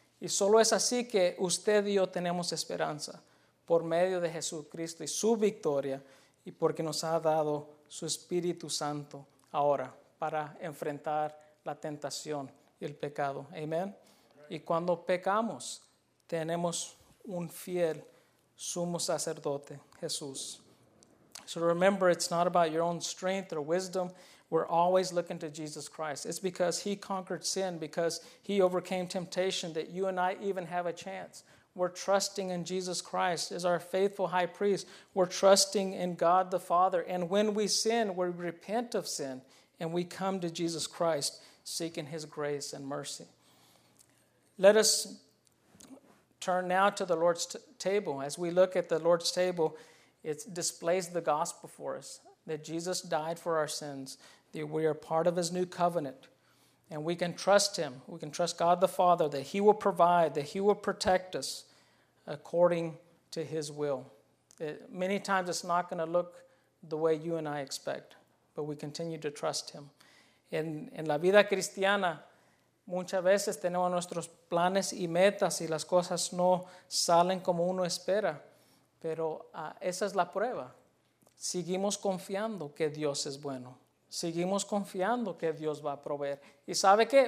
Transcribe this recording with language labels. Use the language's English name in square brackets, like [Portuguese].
[Spanish] Y solo es así que usted y yo tenemos esperanza por medio de Jesucristo y su victoria. Y porque nos ha dado su Espíritu Santo ahora para enfrentar la tentación y el pecado. Amén. Y cuando pecamos, tenemos un fiel sumo sacerdote, Jesús. [English] So remember, it's not about your own strength or wisdom. We're always looking to Jesus Christ. It's because he conquered sin, because he overcame temptation, that you and I even have a chance. We're trusting in Jesus Christ as our faithful high priest. We're trusting in God the Father. And when we sin, we repent of sin, and we come to Jesus Christ seeking his grace and mercy. Let us turn now to the Lord's table. As we look at the Lord's table, it displays the gospel for us, that Jesus died for our sins, that we are part of his new covenant, and we can trust him. We can trust God the Father, that he will provide, that he will protect us according to his will. Many times it's not going to look the way you and I expect, but we continue to trust him. [Spanish] En la vida cristiana, muchas veces tenemos nuestros planes y metas y las cosas no salen como uno espera. Pero esa es la prueba. Seguimos confiando que Dios es bueno. Seguimos confiando que Dios va a proveer. ¿Y sabe qué?